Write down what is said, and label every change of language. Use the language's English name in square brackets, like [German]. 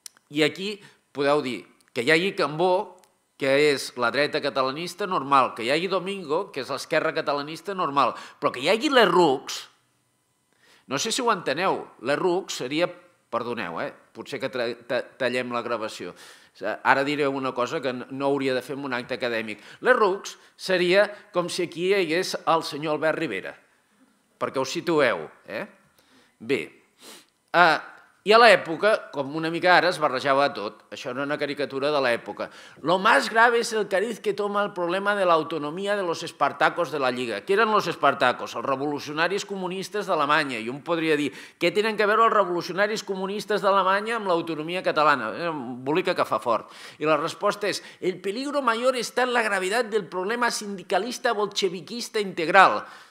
[Catalan] I aquí podeu dir que hi hagi Cambó, que és la dreta catalanista, normal, que hi hagi Domingo, que és l'esquerra catalanista, normal, però que hi hagi Lerroux, no sé si ho enteneu, Lerroux seria, perdoneu, potser que tallem la gravació, ara diré una cosa que no hauria de fer en un acte acadèmic, Lerroux seria com si aquí hi hagués el senyor Albert Rivera, perquè ho situeu. Bé, i a l'època, com una mica ara, es barrejava tot. Això era una caricatura de l'època. [Spanish] Lo más grave es el cariz que toma el problema de l'autonomia de los espartacos de la Lliga. [Catalan] Què eren los espartacos? Els revolucionaris comunistes d'Alemanya. I un podria dir, què tenen que veure els revolucionaris comunistes d'Alemanya amb l'autonomia catalana? Bolica que fa fort. I la resposta és, [Spanish] el peligro mayor está en la gravedad del problema sindicalista bolcheviquista integral.